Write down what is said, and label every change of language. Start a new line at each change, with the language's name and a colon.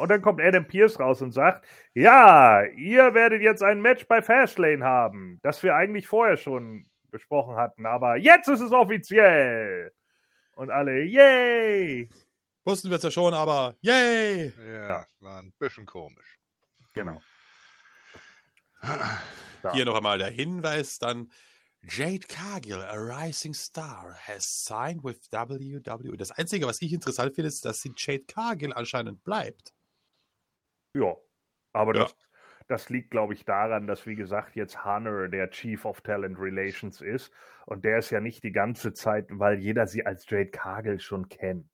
German: Und dann kommt Adam Pearce raus und sagt: Ja, ihr werdet jetzt ein Match bei Fastlane haben, das wir eigentlich vorher schon besprochen hatten, aber jetzt ist es offiziell! Und alle, yay! Wussten wir es ja schon, aber yay! Ja, war ein bisschen komisch. Genau. Hier noch einmal der Hinweis dann.
English: Jade Cargill, a rising star, has signed with WWE.
German: Das Einzige, was ich interessant finde, ist, dass sie Jade Cargill anscheinend bleibt. Ja, aber das liegt, glaube ich, daran, dass, wie gesagt, jetzt Hunter der Chief of Talent Relations ist. Und der ist ja nicht die ganze Zeit, weil jeder sie als Jade Cargill schon kennt.